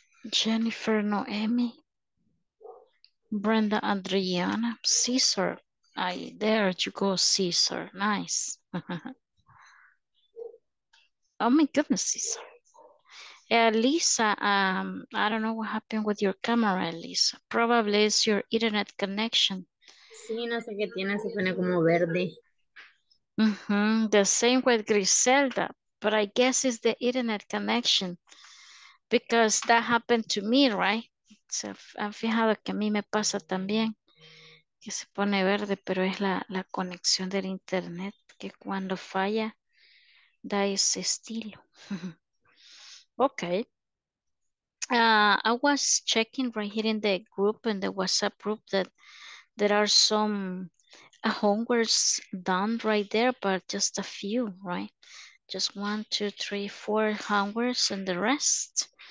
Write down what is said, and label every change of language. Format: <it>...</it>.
<en>Jennifer, Noemi. Brenda, Adriana, Cesar. Aye, there you go, Cesar. Nice. Oh my goodness, Lisa. Lisa, I don't know what happened with your camera, Lisa. Probably it's your internet connection.</en> <es>Sí, no sé qué tiene, se pone como verde.</es> <en>The same with Griselda, but I guess it's the internet connection because that happened to me, right?</en> <es>Se ha fijado que a mí me pasa también, que se pone verde, pero es la conexión del internet que cuando falla. Da ese estilo. Okay.</es> <en>I was checking right here in the group, in the WhatsApp group, that there are some homeworks done right there, but just a few, right? Just one, two, three, four homeworks and the rest.</en>